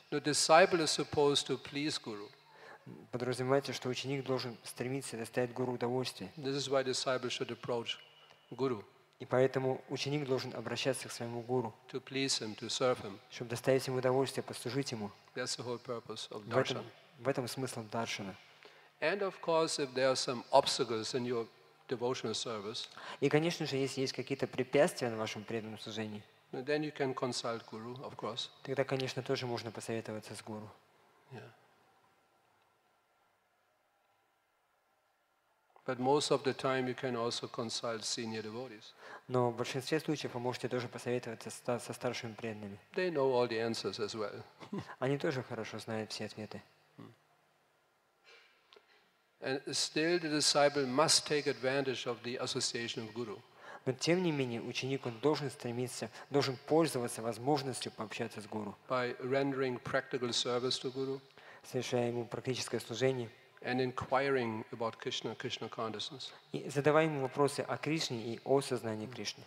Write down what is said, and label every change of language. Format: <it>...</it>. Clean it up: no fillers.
<en>The disciple is supposed to please guru.</en> <ru>Подразумевается, что ученик должен стремиться доставить гуру удовольствие.</ru> <en>This is why disciple should approach guru.</en> <ru>И поэтому ученик должен обращаться к своему гуру.</ru> <en>To please him, to serve him.</en> <ru>Чтобы доставить ему удовольствие, послужить ему.</ru> <en>That's the whole purpose of darshan.</en> <ru>В этом смысл даршана.</ru> <en>And of course, if there are some obstacles in your devotional service.</en> <ru>И, конечно же, если есть какие-то препятствия на вашем преданном служении.</ru> <en>Then you can consult guru, of course.</en> <ru>Тогда, конечно, тоже можно посоветоваться с гуру.</ru> <en>Yeah. But most of the time you can also consult senior devotees.</en> <ru>Но в большинстве случаев вы можете тоже посоветоваться со старшими преданными.</ru> <en>They know all the answers as well.</en> <ru>Они тоже хорошо знают все ответы.</ru> <en>And still, the disciple must take advantage of the association of guru.</en> <ru>Но тем не менее ученик он должен стремиться, должен пользоваться возможностью пообщаться с гуру.</ru> <en>By rendering practical service to guru.</en> <ru>Совершая ему практическое служение.</ru> <en>and inquiring about Krishna, Krishna consciousness.</en> <ru>И задаваем вопросы о Кришне и о сознании Кришны.</ru>